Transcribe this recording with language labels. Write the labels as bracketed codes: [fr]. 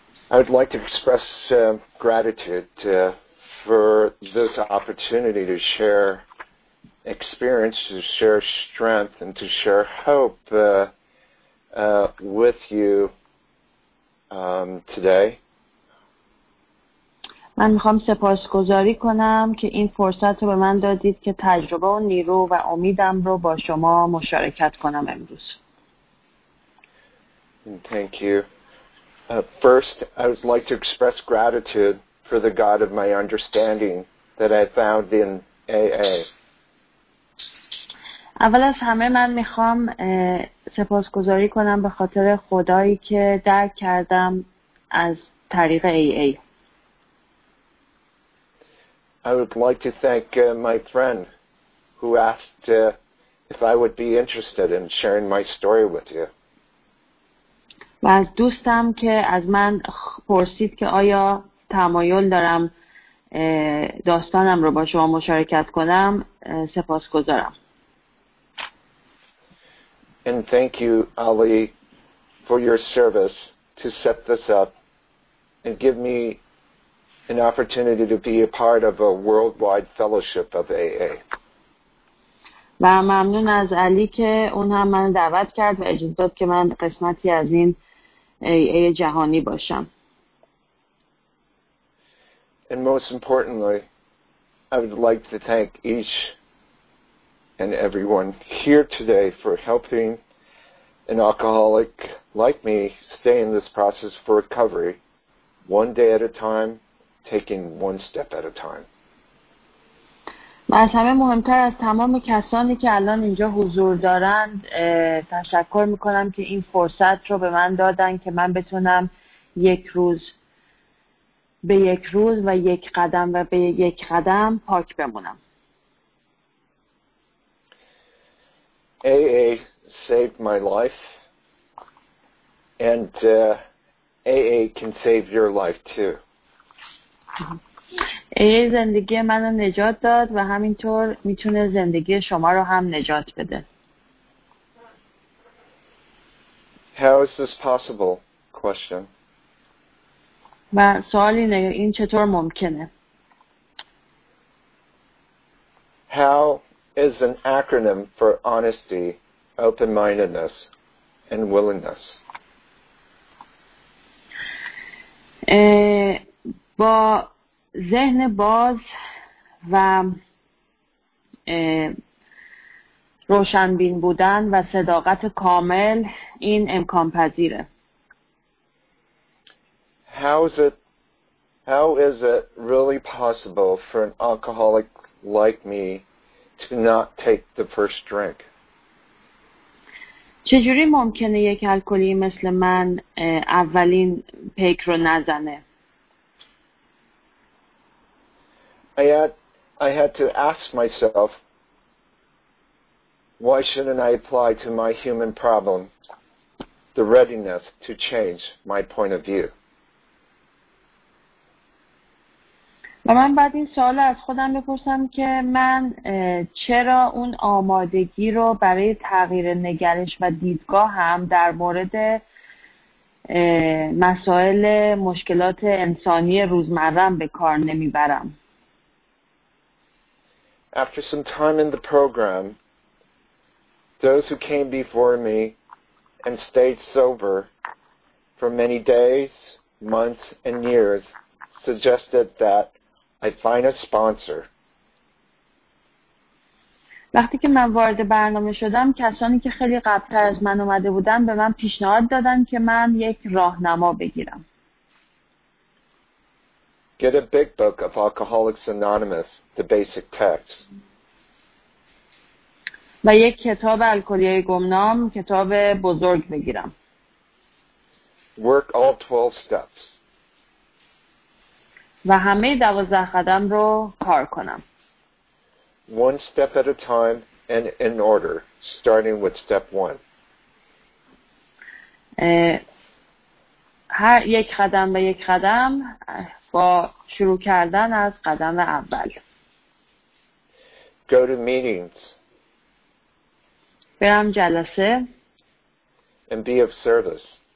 [en] I would like to express gratitude for this opportunity to share experience, to share strength, and to share hope with you today. [fa] من می‌خوام سپاسگزاری کنم که این فرصت رو به من دادید که تجربه و نیرو و امیدم رو با شما مشارکت کنم امروز. [en] Thank you. First, I would like to express gratitude for the God of my understanding that I found in AA. [fa] اول از همه من میخوام سپاسگزاری کنم به خاطر خدایی که درک کردم از طریق AA. [en] I would like to thank my friend who asked if I would be interested in sharing my story with you. [fa] و از دوستم که از من پرسید که آیا تمایل دارم داستانم رو با شما مشارکت کنم سپاسگزارم. [en] And thank you, Ali, for your service to set this up and give me an opportunity to be a part of a worldwide fellowship of AA. [fa] و ممنون از علی که اون هم من دعوت کرد و اجازه داد که من قسمتی از این AA جهانی باشم. [en] And most importantly, I would like to thank each and everyone here today for helping an alcoholic like me stay in this process for recovery, one day at a time, taking one step at a time. [fa] و از همه مهمتر از تمام کسانی که الان اینجا حضور دارند تشکر میکنم که این فرصت رو به من دادن که من بتونم یک روز به یک روز و یک قدم و به یک قدم پاک بمونم. [en] AA saved my life and AA can save your life too. [fa] AA زندگی منو نجات داد و همینطور میتونه زندگی شما رو هم نجات بده. [en] How is this possible? Question. [fa] و سوال اینه این چطور ممکنه؟ [en] How is an acronym for honesty, open-mindedness, and willingness? [fa] با ذهن باز و روشنبین بودن و صداقت کامل این امکان پذیره. [en] How is it really possible for an alcoholic like me to not take the first drink? [fa] چجوری ممکنه یک الکلی مثل من اولین پیک رو نزنه؟ [en] I had to ask myself, why shouldn't I apply to my human problem the readiness to change my point of view? [fa] و من بعد این سوال از خودم بپرسم که من چرا اون آمادگی رو برای تغییر نگرش و دیدگاه هم در مورد مسائل مشکلات انسانی روزمره‌ام به کار نمیبرم. [en] After some time in the program, those who came before me and stayed sober for many days, months, and years suggested that I find a sponsor [fa] وقتی که من وارد برنامه شدم، کسانی که خیلی قبل‌تر از من اومده بودن به من پیشنهاد دادن که من یک راهنما بگیرم. [en] Get a big book of Alcoholics Anonymous, the basic text. [fa] و یک کتاب الکلیه گمنام، کتاب بزرگ بگیرم. [en] Work all 12 steps. [fa] و همه 12 قدم رو کار کنم. [en] One step at a time and in order, starting with step one. [fa] هر یک قدم به یک قدم با شروع کردن از قدم اول. [en] Go to meetings. [fa] برم جلسه. [en] And be of service.